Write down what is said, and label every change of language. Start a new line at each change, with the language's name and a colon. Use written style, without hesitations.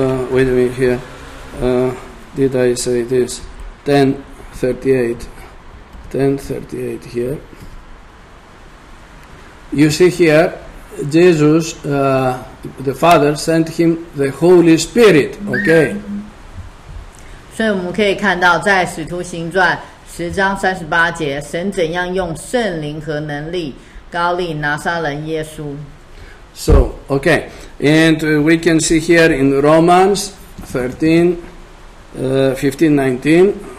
English: Wait a minute here. Did I say this? 10:38 here. You see here, Jesus, the Father sent him the Holy Spirit. Okay.
Chinese: 所以我们可以看到，在《使徒行传》十章三十八节，神怎样用圣灵和能力膏立拿撒勒耶稣。
English: So okay, and we can see here in Romans 15:19.